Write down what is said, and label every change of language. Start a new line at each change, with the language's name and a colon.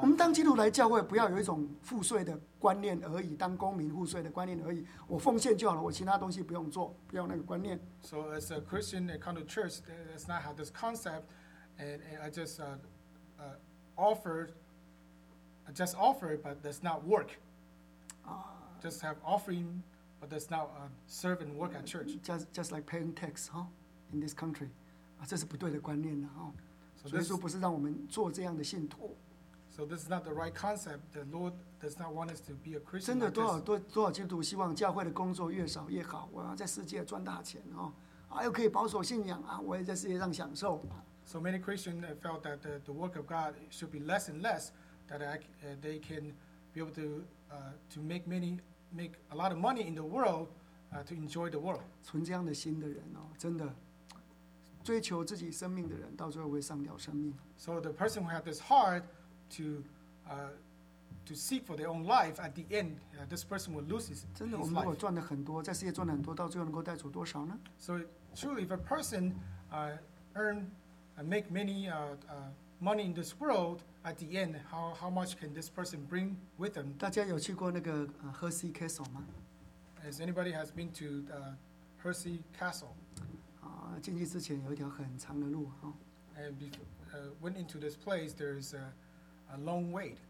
Chinese: 我们当基督徒来教会，不要有一种赋税的观念而已，当公民赋税的观念而已，我奉献就好了，我其他东西不用做，不要那个观念。
English: So as a Christian, a kind of church, let's not have this concept, and I just offer, but that's not work. Just have offering, but that's not serve and work at church. Just like paying tax, huh? In this country,
Chinese: 这是不对的观念了，哈。 So、耶稣不是让我们做这样的信徒。
English: So this is not the right concept. The Lord does not want us to be a Christian.
Chinese: 真的多少基督徒希望教会的工作越少越好，我要在世界赚大钱哦，啊又可以保守信仰啊，我也在世界上享受。
English: So many Christians felt that the work of God should be less and less, that they can be able to make a lot of money in the world, to enjoy the world.
Chinese: 存这样的心的人哦，真的。追求自己生命的人，到最后会丧掉生命。
English: So the person who had this heart to seek for their own life, at the end, this person will lose his life.
Chinese: 真的，我们如果赚了很多，在世界赚了很多，到最后能够带走多少呢
English: ？So truly, if a person make many money in this world, at the end, how much can this person bring with them?
Chinese: 大家有去过那个Hershey Castle 吗
English: ？Has anybody has been to the Hershey Castle?
Chinese: 进去之前有一条很长的路哈。
English: And before, went into this place, there is a long wait.